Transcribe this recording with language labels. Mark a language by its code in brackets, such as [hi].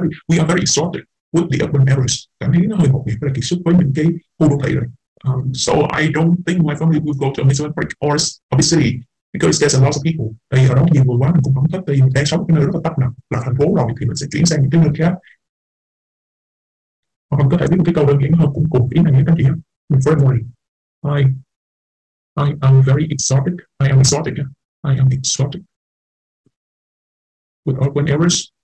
[en] We are very exhausted with the urban areas. [vi] Cảm thấy nó hơi ngột ngạt và kỳ xúc với những cái khu đô thị rồi. [en] So I don't think my family will go to amusement park or a big city because there's a lot of people. [vi] Tại vì ở đó nhiều người quá, mình cũng không thích. Tại vì mình đang sống ở cái nơi rất là tấp nập là thành phố rồi thì mình sẽ chuyển sang những cái nơi khác. Hoặc mình có thể biết một cái câu đơn giản hơn cũng cùng ý này nhé các chị nhé. [en] Firstly, I am very exotic. I am exotic with urban areas.